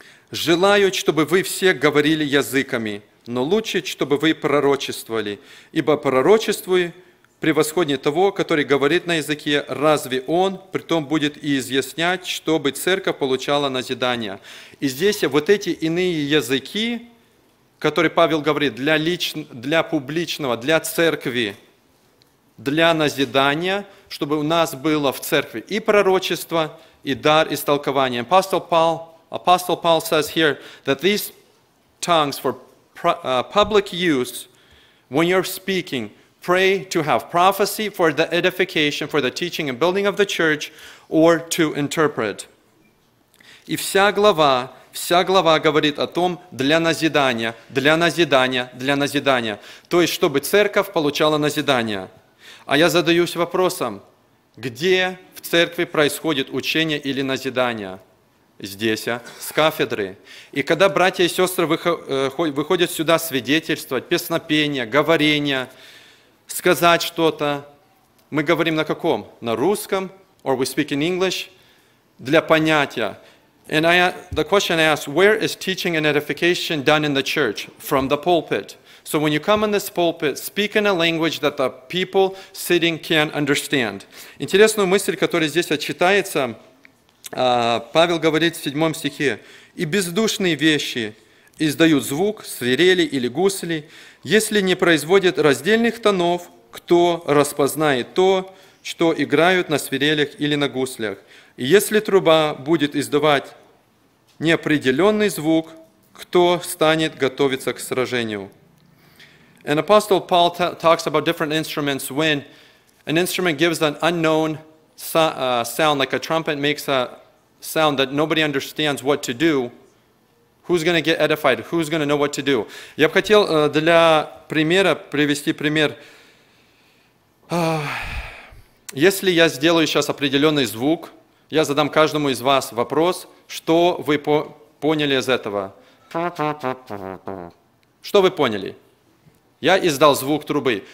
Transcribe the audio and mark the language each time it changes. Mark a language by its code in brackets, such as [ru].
[ru] «Желаю, чтобы вы все говорили языками». Но лучше, чтобы вы пророчествовали, ибо пророчествуй превосходнее того, который говорит на языке, разве он, притом будет и изъяснять, чтобы церковь получала назидание. И здесь вот эти иные языки, которые Павел говорит для публичного, для церкви, для назидания, чтобы у нас было в церкви и пророчество, и дар истолкования. [en] Apostle Paul says here that these tongues for public use, when you're speaking, pray to have prophecy for the edification, for the teaching and building of the church, or to interpret. [ru] И вся глава говорит о том, для назидания, то есть, чтобы церковь получала назидание. А я задаюсь вопросом, где в церкви происходит учение или назидание? Здесь, с кафедры. И когда братья и сестры выходят сюда свидетельствовать, песнопение, говорение, сказать что-то, мы говорим на каком? На русском? [en] Or we speak in English? [ru] Для понятия. [en] And the question I ask, where is teaching and edification done in the church? From the pulpit. So when you come in this pulpit, speak in a language that the people sitting can understand. [ru] Интересную мысль, которая здесь отчитается, Павел говорит в 7 стихе, «И бездушные вещи издают звук, свирели или гусли, если не производят раздельных тонов, кто распознает то, что играют на свирелях или на гуслях? И если труба будет издавать неопределенный звук, кто станет готовиться к сражению?» [en] And Apostle Paul talks about different instruments when an instrument gives an unknown sound, like a trumpet makes a sound that nobody understands what to do, who's going to get edified, who's going to know what to do. [ru] Я бы хотел для примера привести пример. Если я сделаю сейчас определенный звук, я задам каждому из вас вопрос, что вы поняли из этого? Что вы поняли? Я издал звук трубы.